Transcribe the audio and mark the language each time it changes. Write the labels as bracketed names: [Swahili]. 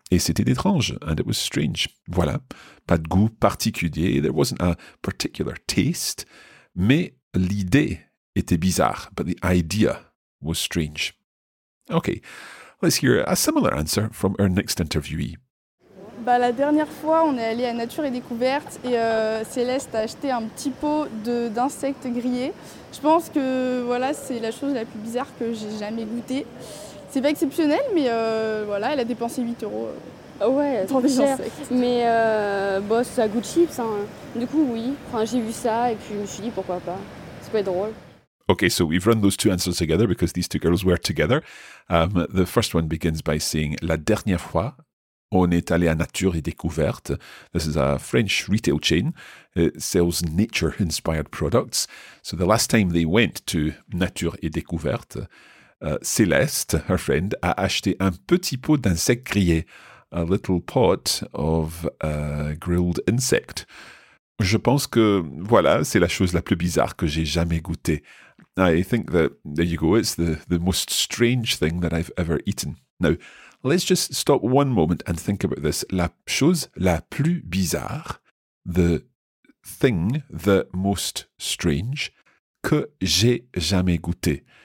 [French] Et c'était étrange, [English] and it was strange. [French] Voilà, pas de goût particulier. [English] There wasn't a particular taste. [French] Mais l'idée était bizarre, [English] but the idea was strange. Okay, let's hear a similar answer from our next interviewee. [French] Bah, la dernière fois, on est allé à Nature et Découverte et Céleste a acheté un petit pot d'insectes grillés. Je pense que voilà, c'est la chose la plus bizarre que j'ai jamais goûtée. C'est pas exceptionnel, mais voilà, elle a dépensé 8 euros. Ouais, c'est trop cher. Insectes. Mais ça goûte chips. Hein. Du coup, oui, enfin, j'ai vu ça et puis je me suis dit pourquoi pas. C'est pas drôle. [English] Okay, so we've run those two answers together because these two girls were together. The first one begins by saying [French] la dernière fois. On est allé à Nature et Découverte. [English] This is a French retail chain. It sells nature-inspired products. So the last time they went to Nature et Découverte, Céleste, her friend, [French] a acheté un petit pot d'insectes grillés. [English] A little pot of grilled insect. [French] Je pense que, voilà, c'est la chose la plus bizarre que j'ai jamais goûtée. [English] I think that, there you go, it's the most strange thing that I've ever eaten. Now, let's just stop one moment and think about this. [French] La chose la plus bizarre, [English] the thing, the most strange, [French] que j'ai jamais goûté.